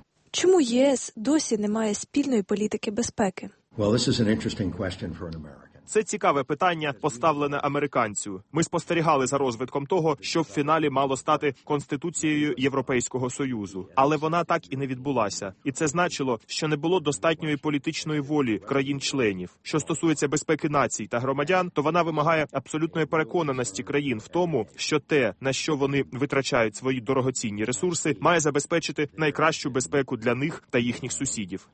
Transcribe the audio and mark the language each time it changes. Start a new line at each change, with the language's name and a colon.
Ukrainian: Чому ЄС досі не має спільної політики безпеки?
English: Well, this is an interesting question for an American.
Ukrainian: Це цікаве питання, поставлене американцю. Ми спостерігали за розвитком того, що в фіналі мало стати Конституцією Європейського Союзу. Але вона так і не відбулася. І це значило, що не було достатньої політичної волі країн-членів. Що стосується безпеки націй та громадян, то вона вимагає абсолютної переконаності країн в тому, що те, на що вони витрачають свої дорогоцінні ресурси, має забезпечити найкращу безпеку для них та їхніх сусідів.